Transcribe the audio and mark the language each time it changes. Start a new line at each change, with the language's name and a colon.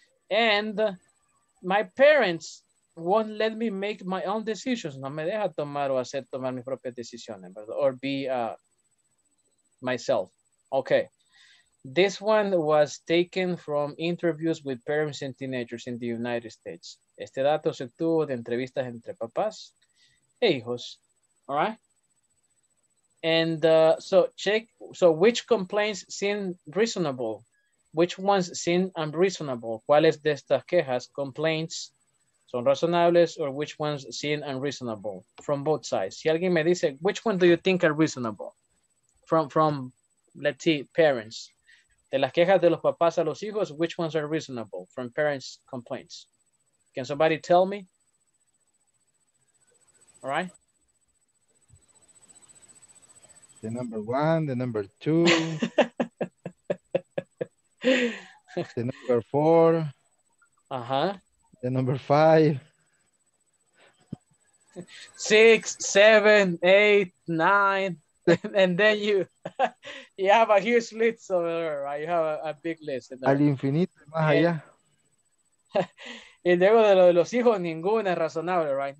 English: And my parents won't let me make my own decisions.
Spanish: No me deja tomar o hacer tomar mis propias decisiones, ¿verdad?
English: Or be myself. Okay. This one was taken from interviews with parents and teenagers in the United States.
Spanish: Este dato se obtuvo de entrevistas entre papás e hijos.
English: All right. And so which complaints seem reasonable? Which ones seem unreasonable?
Spanish: ¿Cuáles de estas quejas, complaints, son razonables
English: or which ones seem unreasonable from both sides?
Spanish: Si alguien me dice,
English: which one do you think are reasonable? From let's see, parents.
Spanish: De las quejas de los papás a los hijos,
English: which ones are reasonable from parents' complaints? Can somebody tell me? All right. The number one, the number two, the number four, the number five, six, seven, eight, nine, and then you have a huge list over there, right? You have a big list.
Spanish: Al infinito, más allá. Y luego de lo de los hijos, ninguna es razonable,
English: right?